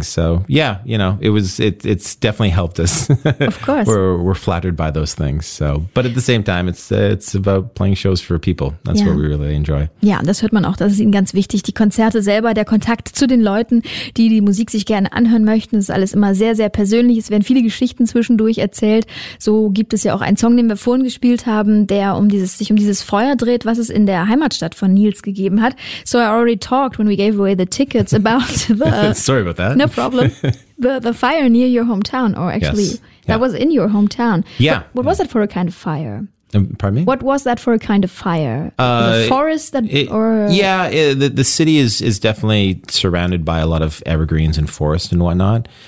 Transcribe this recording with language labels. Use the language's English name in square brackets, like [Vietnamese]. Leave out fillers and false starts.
[English] So yeah, you know, it's definitely helped us. Of course. we're flattered by those things. So, but at the same time, it's about playing shows for people. That's what we really enjoy. [German] Ja, das hört man auch. Das ist ihnen ganz wichtig. Die Konzerte selber, der Kontakt zu den Leuten, die Musik sich gerne anhören möchten. Das ist alles immer sehr, sehr persönlich. Es werden viele Geschichten zwischendurch erzählt. So gibt es ja auch einen Song, den wir vorhin gespielt haben, der sich um dieses Feuer dreht, was es in der Heimatstadt von Nils gegeben hat. [English] So I already talked when we gave away the tickets about the sorry about that. No problem. The fire near your hometown, or actually that was in your hometown. Yeah. What was that for a kind of fire? Pardon me? What was that for a kind of fire? The forest The city is definitely surrounded by a lot of evergreens and forest and whatnot.